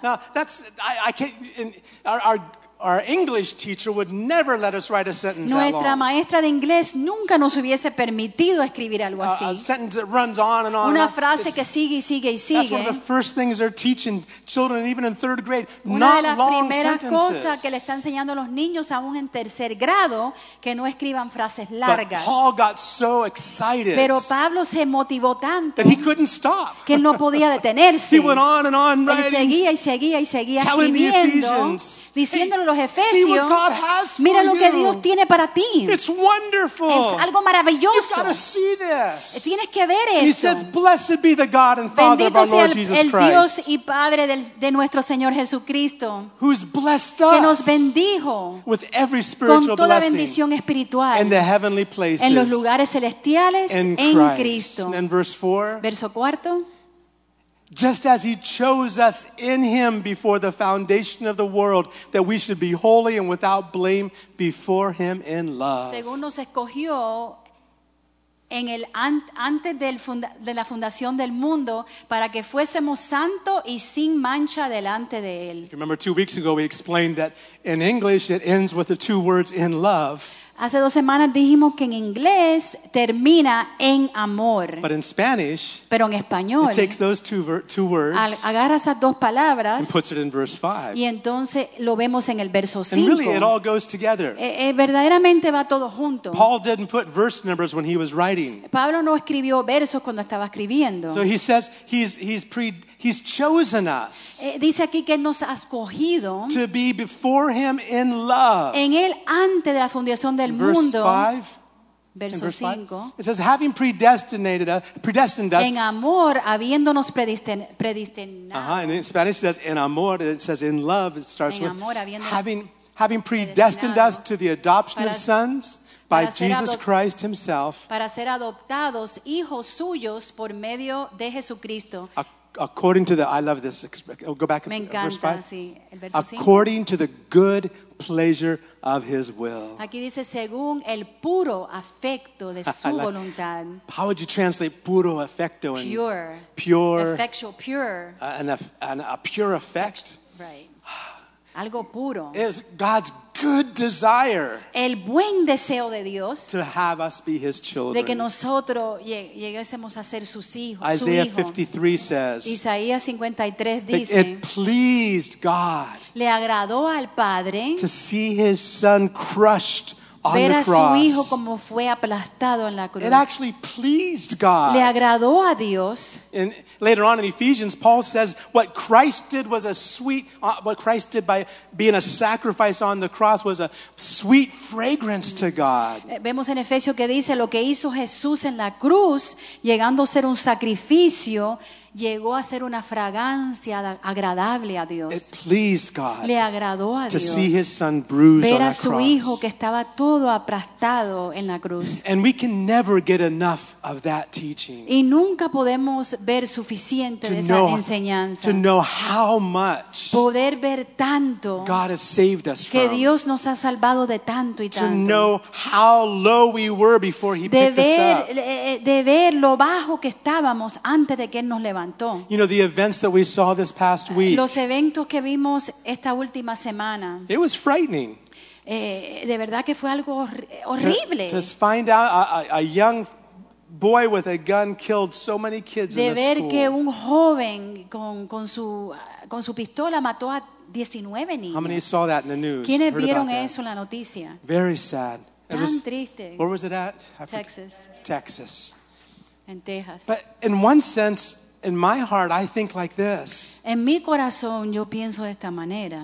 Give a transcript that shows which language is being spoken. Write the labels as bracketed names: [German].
[English] Now, that's I can't in, our English teacher would never let us write a sentence like that. [Spanish] Nuestra maestra de inglés nunca nos hubiese permitido escribir algo así. [English] A sentence that runs on and on. [Spanish] Una frase que sigue y sigue y sigue. [English] That's one of the first things they're teaching children, even in third grade. [Spanish] Una de las primeras cosas que le está enseñando a los niños, aún en tercer grado, que no escriban frases largas. [English] But Paul got so excited. [Spanish] Pero Pablo se motivó tanto. [English] That he couldn't stop. [Spanish] Que él no podía detenerse. [English] He went on and on writing. [Spanish] Él seguía y seguía y seguía escribiendo. Diciendo los Efesios, mira lo que Dios tiene para ti. [English] It's wonderful. [Spanish] Es algo maravilloso. [English] You've got to see this. [Spanish] Tienes que ver esto. [English] He says, "Blessed be the God and Father [Spanish] bendito [English] of our Lord Jesus Christ." [Spanish] El Dios y Padre de nuestro Señor Jesucristo, [English] who's blessed us, [Spanish] que nos bendijo [English] with every spiritual [Spanish] con toda bendición espiritual [English] in the heavenly places, [Spanish] en los lugares celestiales en Cristo. [English] And verse 4. [Spanish] Verso 4. [English] Just as he chose us in him before the foundation of the world, that we should be holy and without blame before him in love. [Spanish] Según nos escogió en el antes de la fundación del mundo para que fuésemos santo y sin mancha delante de él. [English] If you remember 2 weeks ago, we explained that in English it ends with the two words in love. [Spanish] Hace 2 semanas dijimos que en inglés termina en amor. [English] But in Spanish, [Spanish] pero en español, [English] it takes those two words, [Spanish] agarra esas dos palabras [English] and puts it in verse 5. [Spanish] Y entonces lo vemos en el verso 5. [English] And really, it all goes together. [Spanish] Verdaderamente va todo junto. [English] Paul didn't put verse numbers when he was writing. [Spanish] Pablo no escribió versos cuando estaba escribiendo. [English] So he says he's chosen us. [Spanish] Dice aquí que nos ha escogido [English] to be before him in love. [Spanish] En él antes de la fundación del [English] verse [Spanish] mundo. [English] Verse 5. It says, having predestined us. [Spanish] En amor, habiéndonos predestinado. [English] Uh-huh. And in Spanish it says [Spanish] en amor. [English] It says in love. It starts [Spanish] en [English] with [Spanish] amor, [English] having predestined us to the adoption of sons by Jesus Christ himself. [Spanish] Para ser adoptados hijos suyos por medio de Jesucristo. [English] According to the, I love this. Go back [Spanish] me encanta, [English] verse 5. [Spanish] Sí, el verso 5. [English] According to the good pleasure of his will. [Spanish] Aquí dice, según el puro afecto de su [English] like, [Spanish] voluntad. [English] How would you translate [Spanish] puro afecto? [English] Pure. And pure. Effectual, pure. A pure effect. [Spanish] Right. Algo puro. [English] It's God's good desire. [Spanish] El buen deseo de Dios. [English] To have us be his children. [Spanish] De que nosotros lleguésemos a ser sus hijos. [English] Isaiah 53 says. [Spanish] Isaías 53 dice. [English] It pleased God. [Spanish] Le agradó al Padre. [English] To see his son crushed on [Spanish] ver [English] the cross, [Spanish] a su hijo como fue aplastado en la cruz. [English] It actually pleased God. [Spanish] Le agradó a Dios. [English] And later on in Ephesians, Paul says what Christ did was a sweet. What Christ did by being a sacrifice on the cross was a sweet fragrance to God. [Spanish] Vemos en Efesios que dice lo que hizo Jesús en la cruz, llegando a ser un sacrificio, llegó a ser una fragancia agradable a Dios. [English] It pleased God. [Spanish] Le agradó a [English] to [Spanish] Dios. [English] See his son bruised [Spanish] ver a [English] on [Spanish] su [English] cross. [Spanish] Hijo que estaba todo aplastado en la cruz. [English] And we can never get enough of that teaching. [Spanish] Y nunca podemos ver suficiente de esa [English] know, [Spanish] enseñanza. [English] To know how much [Spanish] poder ver tanto [English] God has saved us [Spanish] que [English] from. [Spanish] Dios nos ha salvado de tanto y tanto. [English] To know how low we were before he [Spanish] de ver, [English] picked us up. [Spanish] De ver lo bajo que estábamos antes de que Él nos levantara. [English] You know, the events that we saw this past week. [Spanish] Los eventos que vimos esta última semana. [English] It was frightening. [Spanish] De verdad que fue algo horrible. [English] To find out a young boy with a gun killed so many kids [Spanish] de [English] in the school. [Spanish] De ver que un joven con su pistola mató a 19 niños. [English] How many saw that in the news? [Spanish] ¿Quiénes vieron eso en la noticia? [English] Very sad. [Spanish] Tan [English] was, [Spanish] triste. [English] Where was it at? Texas. Texas. [Spanish] En Texas. [English] But in one sense, in my heart, I think like this. [Spanish] En mi corazón, yo pienso de esta manera.